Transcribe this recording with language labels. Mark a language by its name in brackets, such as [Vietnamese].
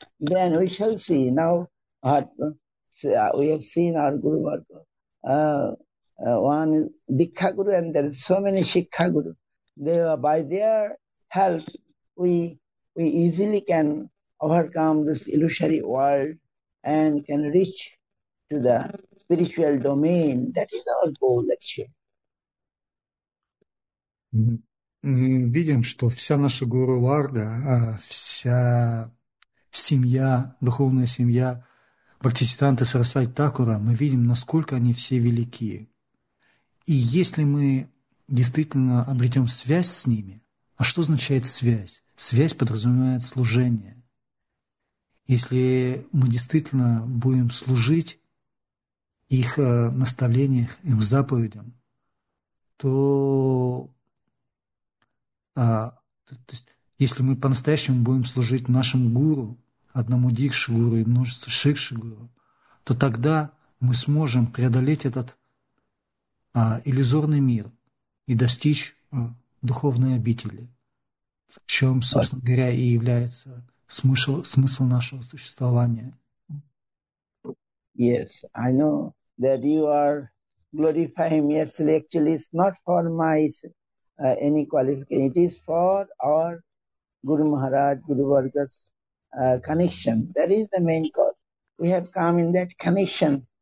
[English] Then we shall see. Now we have seen our Guru Varga. One is Dikha Guru, and there are so many Shikha Guru. by their help, we easily can overcome this illusory world and can reach to the spiritual domain. That is our goal, actually. [Russian] Мы видим, что вся наша Гуру Варда, вся семья, духовная семья Бхактисиддханты Сарасвати Такура, мы видим, насколько они все велики. И если мы действительно обретем связь с ними, а что означает связь? Связь подразумевает служение. Если мы действительно будем служить их наставлениям, их заповедям, то если мы по-настоящему будем служить нашему гуру, одному дикши гуру и множеству шикши гуру, то тогда мы сможем преодолеть этот иллюзорный мир и достичь духовной обители, в чем, собственно говоря, и является смысл нашего существования. [English] Yes, I know that you are glorifying me. Actually, it's not for my any qualification. It is for our Guru Maharaj, Guru Varga's connection. That is the main cause. We have come in that connection.